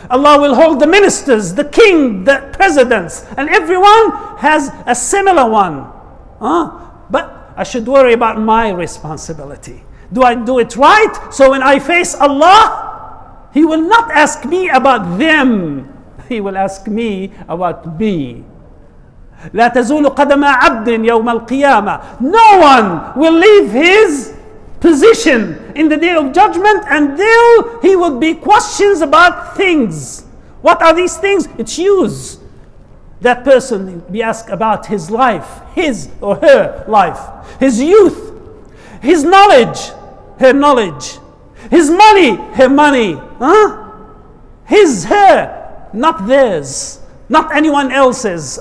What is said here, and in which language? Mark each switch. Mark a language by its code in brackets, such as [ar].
[en] Allah will hold the ministers, the king, the presidents, and everyone has a similar one. But I should worry about my responsibility. Do I do it right? So when I face Allah, He will not ask me about them. He will ask me about me. [ar] لا تزول قدم عبد يوم القيامة. [en] No one will leave his position in the day of judgment until he will be questions about things. What are these things? It's yous. That person be asked about his life, his or her life, his youth, his knowledge, her knowledge, his money, her money, his, her, not theirs, not anyone else's.